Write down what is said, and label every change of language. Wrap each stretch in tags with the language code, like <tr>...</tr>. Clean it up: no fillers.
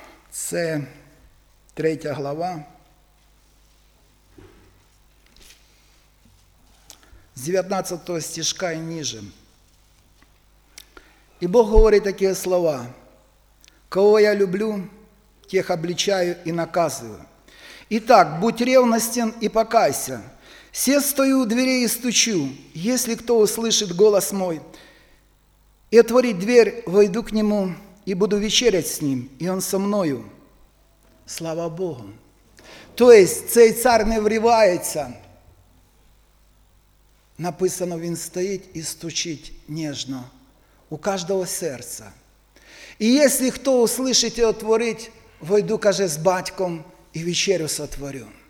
<uk>Це 3 глава, з 19 стишка і ніже. І Бог говорить такі слова, кого я люблю, тих обличаю і наказую.</uk> <ru>Итак, будь ревностен и покайся. Се стою у дверей и стучу. Если кто услышит голос мой и отворит дверь, войду к нему и буду вечерять с ним, и он со мною. Слава Богу.</ru> <uk>То есть, цей цар не вривається. Написано, він стоїть і стучить нежно у кожного серця. І</uk> <ru>если</ru> <uk>хто</uk> <ru>услышит и отворит, войду,</ru> <uk>каже, з батьком, і вечерю сотворю.</uk>